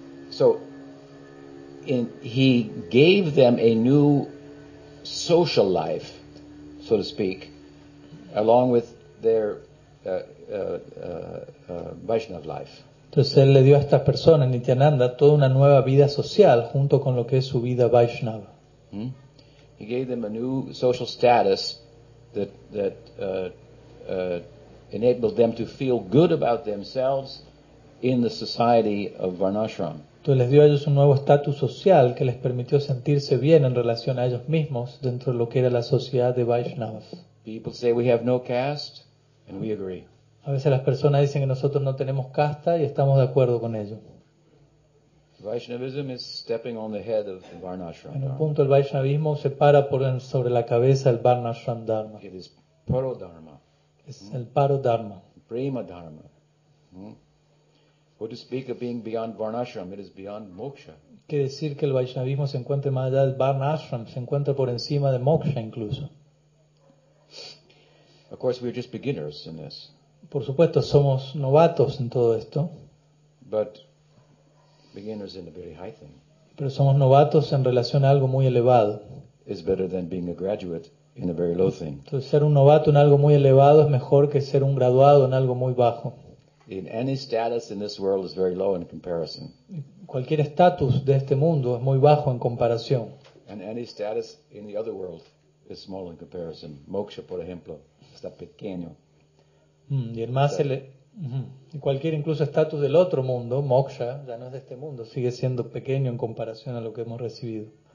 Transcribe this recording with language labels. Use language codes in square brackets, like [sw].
[en] So he gave them a new social life, so to speak, along with their Vaishnav life. [es] Entonces él le dio a estas personas, Nityananda, toda una nueva vida social junto con lo que es su vida Vaishnava. [en] He gave them a new social status that enabled them to feel good about themselves in the society of Varnashram. [es] Entonces les dio a ellos un nuevo estatus social que les permitió sentirse bien en relación a ellos mismos dentro de lo que era la sociedad de Vaishnavas. [en] People say we have no caste, and we agree. [es] A veces las personas dicen que nosotros no tenemos casta y estamos de acuerdo con ello. [en] Vaishnavism is stepping on the head of the Varnashram [es] Dharma. En un punto el Vaishnavismo se para por sobre la cabeza el Varnashram Dharma. [en] It is paro dharma. [es] Es el paro dharma. [en] Prema dharma. What to speak of being beyond Varnashram, it is beyond moksha. [es] ¿Qué decir que el Vaishnavismo se encuentre más allá del Varnashram, se encuentra por encima de moksha incluso? [en] Of course we are just beginners in this. [es] Por supuesto, somos novatos en todo esto. [en] But beginners in a very high thing. [es] Pero somos novatos en relación a algo muy elevado. [en] It's better than being a graduate in a very low thing. [es] Entonces, ser un novato en algo muy elevado es mejor que ser un graduado en algo muy bajo. [en] In any status in this world is very low in comparison. [es] Cualquier estatus de este mundo es muy bajo en comparación. [en] And any status in the other world is small in comparison. [es] Moksha, por ejemplo, está pequeño. Y el más y cualquier incluso estatus del otro mundo, moksha, ya no es de este mundo, sigue siendo pequeño en comparación a lo que hemos recibido.